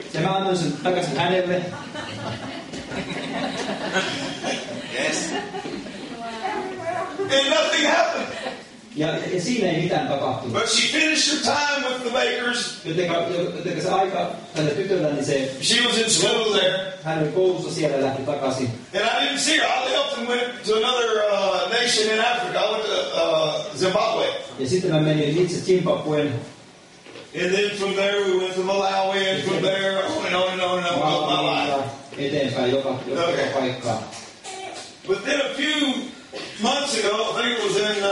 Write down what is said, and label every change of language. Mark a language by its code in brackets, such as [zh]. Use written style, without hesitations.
[fi] Se mä annan sen takaisin hänelle. [en] Yes. Wow. And nothing happened. [fi] Ja siinä ei mitään tapahtunut. [en] But she finished her time with the Bakers. [fi] Joten se aika tälle tytölle, niin se. [en] She was in school there. [fi] Hän oli koulussa siellä ja lähti takaisin. [en] And I didn't see her. I left and went to another nation in Africa. I went to Zimbabwe. [fi] Ja sitten mä menin itse Zimbabween. [en] And then from there we went to Malawi and from there on and on [fi] eteenpäin joka paikkaan. [en] But then a few months ago, I think it was in